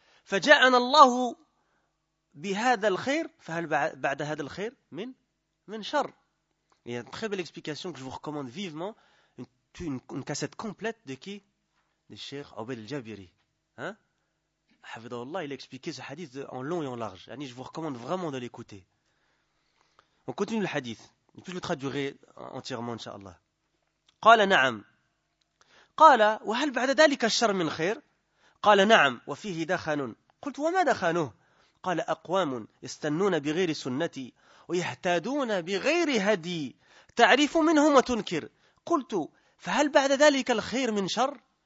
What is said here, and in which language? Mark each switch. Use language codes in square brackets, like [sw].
[ar] Fa ja'ana Allah بهذا الخير فهل بعد هذا الخير من شر. [fr] Il y a une très belle explication que je vous recommande vivement, une cassette complète de qui, de Cheikh Obeid Jabiri, hein, hafidhahullah. Il a expliqué ce hadith en long et en large, yani je vous recommande vraiment de l'écouter. On continue le hadith, je peux le traduire entièrement inchallah. [ar] قال نعم قال وهل بعد ذلك الشر من خير قال نعم وفيه دخان قلت وما دخانه قال أقوام يستنون بغير سنتي ويهتادون بغير هدي تعرف منهم وتنكر قلت فهل بعد ذلك الخير من شر